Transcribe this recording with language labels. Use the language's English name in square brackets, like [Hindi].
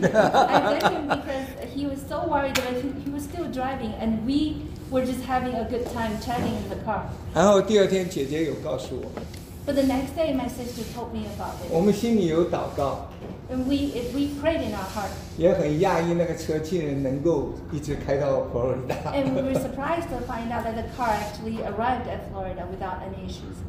[English] I thank him because he was so worried that he was still driving and we were just having a good time chatting in the car [Chinese] 然后第二天姐姐有告诉我 [English] But the next day my sister told me about it [Chinese] 我们心里有祷告 [English] And we prayed in our heart [Chinese] 也很讶异那个车竟然能够一直开到佛罗里达 [English] And we were surprised to find out that the car actually arrived at Florida without any issues